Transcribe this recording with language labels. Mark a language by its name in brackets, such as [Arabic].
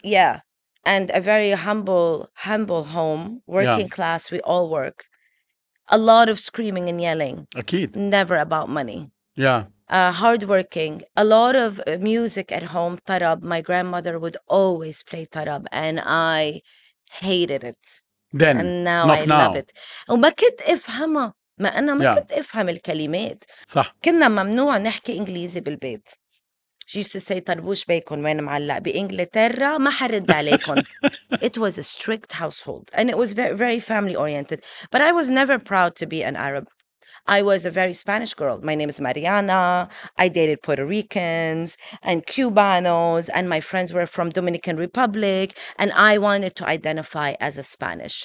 [English] Yeah. And a very humble home, working class. We all worked. A lot of screaming and yelling. A kid. Never about money. Yeah. Hardworking, a lot of music at home, tarab. My grandmother would always play tarab, and I hated it. Then, and now not I now. Love it. [Arabic] وما كنت أفهمها، ما أنا ما كنت أفهم الكلمات. صح. كنا ممنوع نحكي إنجليزي بالبيت. [English] She used to say, [Arabic] طربوش بيكون وين معلق بإنجلترا ما حرد عليكم. [English] It was a strict household, and it was very, very family-oriented. But I was never proud to be an Arab. I was a very Spanish girl. My name is Mariana. I dated Puerto Ricans and Cubanos, and my friends were from Dominican Republic, and I wanted to identify as a Spanish.